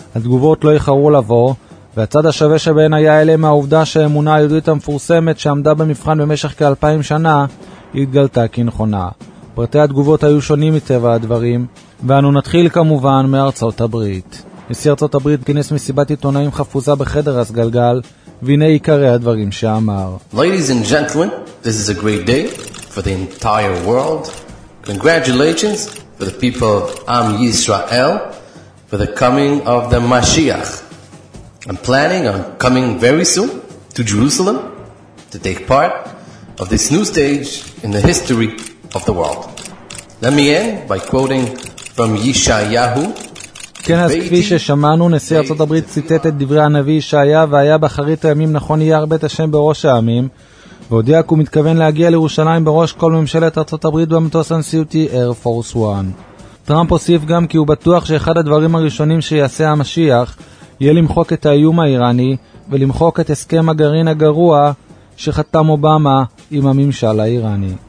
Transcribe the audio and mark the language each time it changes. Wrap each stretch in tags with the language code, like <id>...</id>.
<he>התגובות לא יחרו לבוא, והצד השווה שבהן היה אליהם העובדה שהאמונה היהודית המפורסמת שעמדה במבחן במשך כ-2000 שנה, התגלתה כנכונה. פרטי התגובות היו שונים מטבע הדברים, ואנו נתחיל כמובן מארצות הברית. נשיא ארצות הברית כינס מסיבת עיתונאים חפוזה בחדר הסגלגל, והנה עיקרי הדברים שאמר.</he> <en>Ladies and gentlemen, this is a great day for the entire world. Congratulations for the people of Am Yisrael for the coming of the Mashiach. I'm planning on coming very soon to Jerusalem to take part of this new stage in the history of the world. Let me end by quoting from Yeshayahu</en> <he>כן, אז כפי ששמענו, נשיא ארצות הברית ציטט את דברי הנביא ישעיה, והיה באחרית הימים נכון יהיה הרבה את השם בראש העמים, והודיע כי הוא מתכוון להגיע לירושלים בראש כל ממשלת ארצות הברית במטוס הנשיאותי Air Force One. טראמפ הוסיף גם כי הוא בטוח שאחד הדברים הראשונים שיעשה המשיח יהיה למחוק את האיום האיראני ולמחוק את הסכם הגרעין הגרוע שחתם אובמה עם הממשל האיראני.</he>